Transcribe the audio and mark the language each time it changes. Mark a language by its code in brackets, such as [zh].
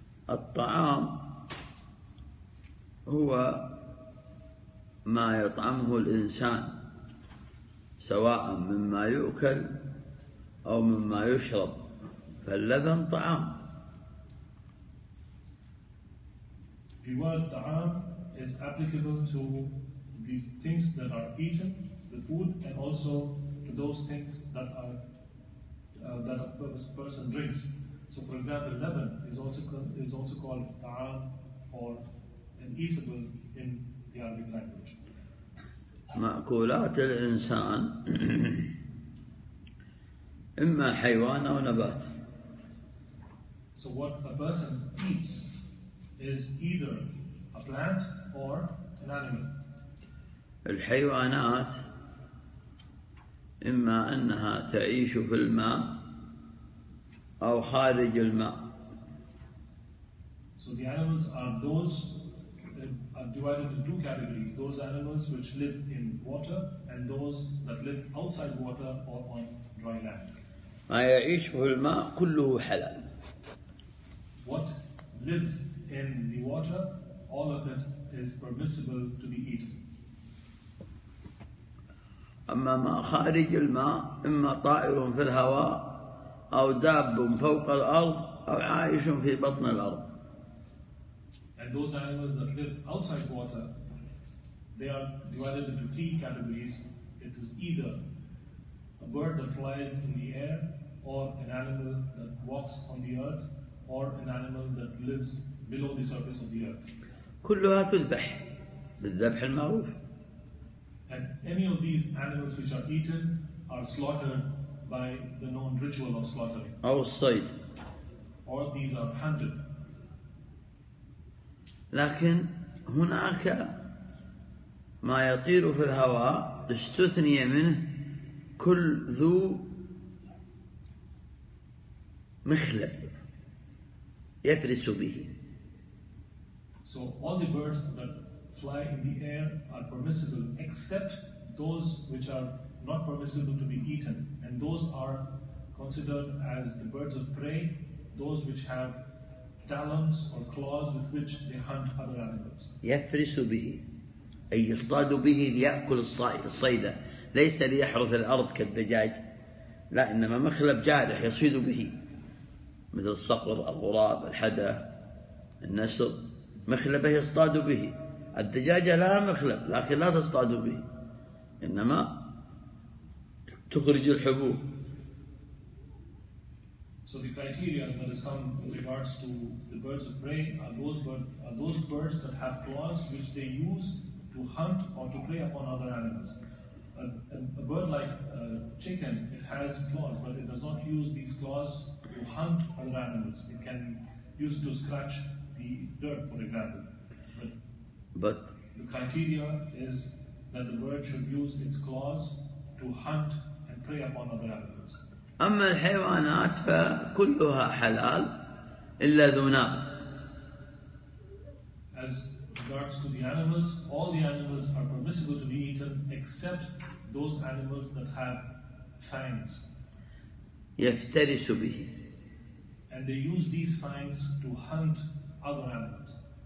[ar] الطعام هو ما يطعمه الإنسان سواء مما يؤكل أو مما يشرب، فاللبن طعام. [en] The word طعام is applicable to the things that are eaten, the food, and also to those things that are that a person drinks. So, for example, lemon is also called طعام or an eatable in the Arabic language. [ar] مأكولات الإنسان إما حيوان أو نبات. [en] So what a person eats is either a plant or an animal. [ar] الحيوانات إما أنها تعيش في الماء أو خارج الماء. [en] So the animals are those divided into two categories, those animals which live in water and those that live outside water or on dry land. [ar] ما يعيش في الماء كله حلال. [en] What lives in the water, all of it is permissible to be eaten. [ar] أما ما خارج الماء إما طائر في الهواء أو داب فوق الأرض أو عايش في بطن الأرض. [en] And those animals that live outside water, they are divided into three categories. It is either a bird that flies in the air, or an animal that walks on the earth, or an animal that lives below the surface of the earth. [ar] كلها تذبح بالذبح المعروف. [en] And any of these animals which are eaten are slaughtered by the known ritual of slaughtering. [ar] أو الصيد. [en] Or these are hunted. [ar] لكن هناك ما يطير في الهواء استثني منه كل ذو مخلب يفرس به. [en] So all the birds that fly in the air are permissible except those which are not permissible to be eaten, and those are considered as the birds of prey, those which have talons or claws with which they hunt other animals. [ar] يفرس به أي يصطاد به ليأكل الصيدة، ليس ليحرث الأرض كالدجاج، لا، إنما مخلب جارح يصيد به مثل الصقر، الغراب، الحدى، النسر، مخلبه يصطاد به. الدجاجة لها مخلب لكن لا تصطاد به، إنما تخرج الحبوب. [en] So the criteria that has come with regards to the birds of prey are those birds that have claws which they use to hunt or to prey upon other animals. A bird like a chicken, it has claws, but it does not use these claws to hunt other animals. It can use to scratch the dirt, for example. But the criteria is that the bird should use its claws to hunt and prey upon other animals. [ar] أما الحيوانات فكلها حلال إلا ذو ناق. [en] As regards to the animals, all the animals are permissible to be eaten except those animals that have fangs. [ar] يفترس به. [en] And they use these fangs to hunt other animals.